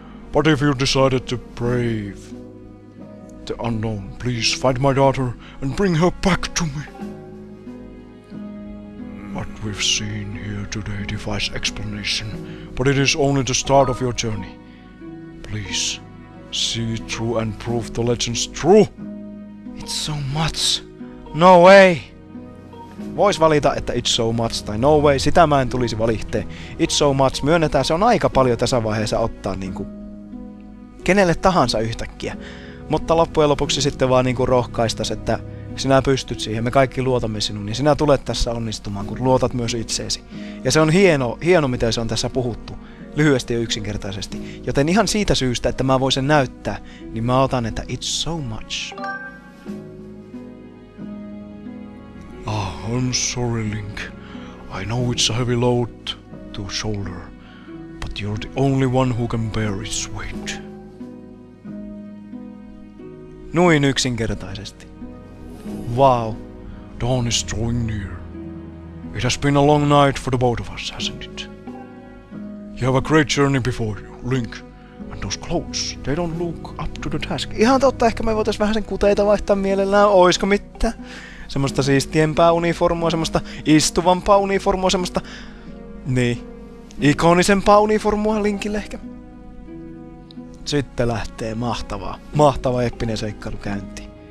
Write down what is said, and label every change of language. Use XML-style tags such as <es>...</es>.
<en>But if you decided to brave the unknown, please find my daughter and bring her back to me. What we've seen here today defies explanation, but it is only the start of your journey. Please, see it through and prove the legends true. It's so much. No way!</en> <fi>Voisi valita, että</fi> <en>it's so much</en> <fi>tai</fi> <en>no way,</en> <fi>sitä mä en tulisi valitteen.</fi> <en>It's so much,</en> <fi>myönnetään, se on aika paljon tässä vaiheessa ottaa niinku kenelle tahansa yhtäkkiä. Mutta loppujen lopuksi sitten vaan niinku rohkaistas, että sinä pystyt siihen, me kaikki luotamme sinuun, niin sinä tulet tässä onnistumaan, kun luotat myös itseesi. Ja se on hieno, miten se on tässä puhuttu, lyhyesti ja yksinkertaisesti. Joten ihan siitä syystä, että mä voisin näyttää, niin mä otan, että</fi> <en>it's so much. Ah, I'm sorry, Link. I know it's a heavy load to shoulder, but you're the only one who can bear its weight.</en> <fi>Noin yksinkertaisesti.</fi> <en>Wow. Dawn is drawing near. It has been a long night for the both of us, hasn't it? You have a great journey before you, Link. And those clothes, they don't look up to the task.</en> <fi>Ihan totta, ehkä me voitais vähän sen kuteita vaihtaa mielellään, oisko mitään? Semmosta siistiempää uniformua, semmosta istuvampaa uniformua, semmosta... Niin. Ikonisempaa uniformua Linkille ehkä. Sitten lähtee mahtavaa. Mahtava eppinen seikkailu käyntiin.</fi>